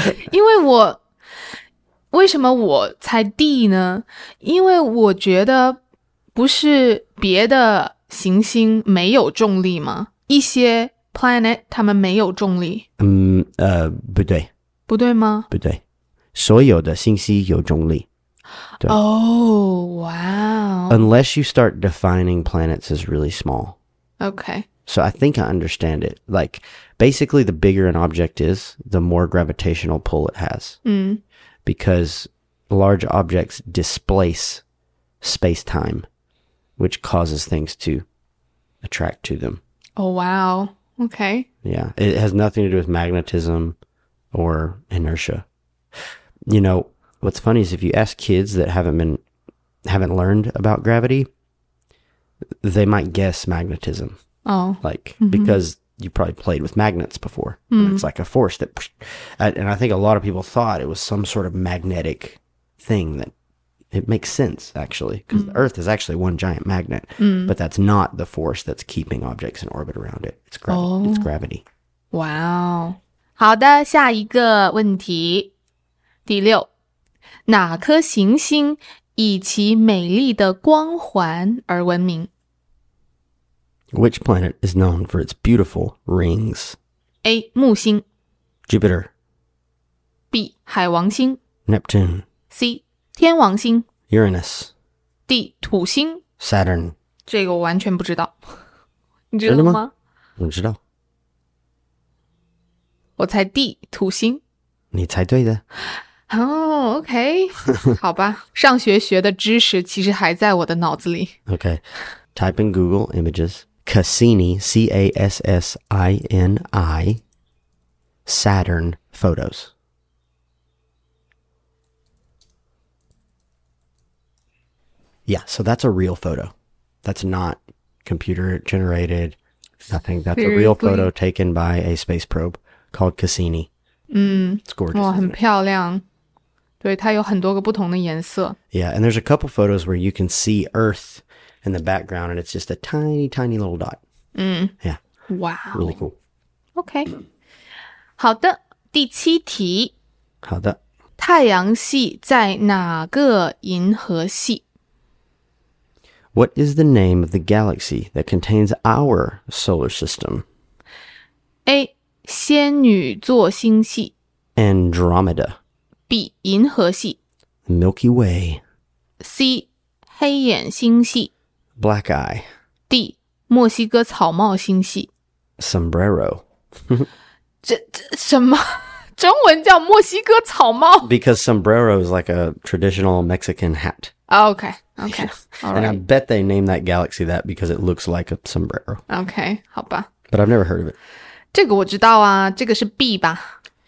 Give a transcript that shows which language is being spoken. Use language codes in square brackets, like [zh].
[zh] 因为我为什么我猜 D 呢因为我觉得不是别的行星没有重力吗？一些 planet 他们没有重力。不对。不对吗？不对，所有的星系有重力。哦， [en] 哇、oh, wow. Unless you start defining planets as really small. Okay. So I think I understand it. Like, basically, the bigger an object is, the more gravitational pull it has. Because large objects displace space-time. Which causes things to attract to them. Oh, wow. Okay. Yeah. It has nothing to do with magnetism or inertia. You know, what's funny is if you ask kids that haven't learned about gravity, they might guess magnetism. Oh. Like, because you probably played with magnets before. And it's like a force that, and I think a lot of people thought it was some sort of magnetic thing thatIt makes sense, actually, because the Earth is actually one giant magnet, but that's not the force that's keeping objects in orbit around it. It's gravity.、 Oh. It's gravity. Wow. [zh] 好的，下一个问题，第六，哪颗行星以其美丽的光环而闻名？ [en] Which planet is known for its beautiful rings? [zh] A. 木星 [en] Jupiter [zh] B. 海王星 [en] Neptune [zh] C. 天王星 [en] Uranus [zh] 地土星 [en] Saturn [zh] 这个我完全不知道你知道吗我知道我猜地土星你猜对的哦、 [en] oh, OK [zh] 好吧上学学的知识其实还在我的脑子里 [en] OK Type in Google Images Cassini C-A-S-S-I-N-I Saturn PhotosYeah, so that's a real photo. That's not computer generated. Nothing. That's a real photo taken by a space probe called Cassini. It's gorgeous. [zh] 哇，很漂亮。对，它有很多个不同的颜色。 [en] Yeah, and there's a couple photos where you can see Earth in the background, and it's just a tiny, tiny little dot. Yeah. Wow. Really cool. Okay. [zh] 好的，第七题。好的。太阳系在哪个银河系？ [en] What is the name of the galaxy that contains our solar system? [zh] A. 仙女座星系 [en] Andromeda [zh] B. 银河系 [en] Milky Way [zh] C. 黑眼星系 [en] Black Eye [zh] D. 墨西哥草帽星系 [en] Sombrero [zh] 这什么中文叫墨西哥草帽 [en] Because sombrero is like a traditional Mexican hat Okay. Okay, all right. And I bet they named that galaxy that because it looks like a sombrero. Okay, [zh] 好吧。 [en] But I've never heard of it. [zh] 这个我知道啊，这个是 B 吧？